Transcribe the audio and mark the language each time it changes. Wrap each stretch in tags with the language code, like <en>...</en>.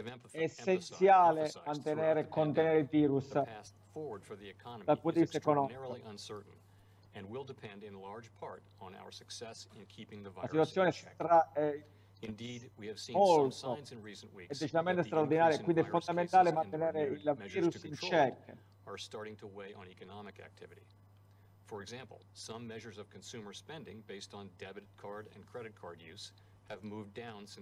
<it>È essenziale mantenere e contenere il virus dal punto di vista economico.</it> <en>And will depend in large part on our success in keeping the virus in check. Indeed, we have seen some signs in recent weeks.</en> <it>È decisamente straordinario, quindi è fondamentale mantenere il virus in check.</it> <en>Are starting to weigh on economic activity. For example, some measures of consumer spending based on debit card and credit card use have moved down since.</en>